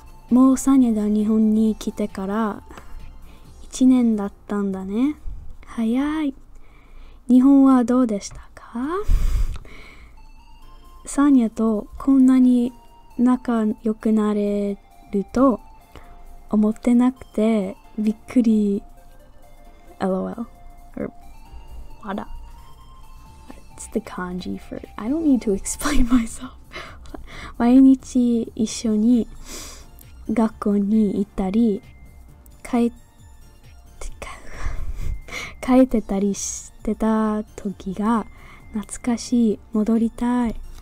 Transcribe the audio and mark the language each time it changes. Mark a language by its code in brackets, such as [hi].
[ja] もうサニャが日本に来てから1年だったんだね。早い。日本はどうでしたか？サニャとこんなに仲良くなれると思ってなくて、びっくり、 [en] LOL, or wada. It's the kanji for, I don't need to explain myself. [ja] 毎日一緒に学校に行ったり、帰ってたりしてた時が懐かしい、戻りたい。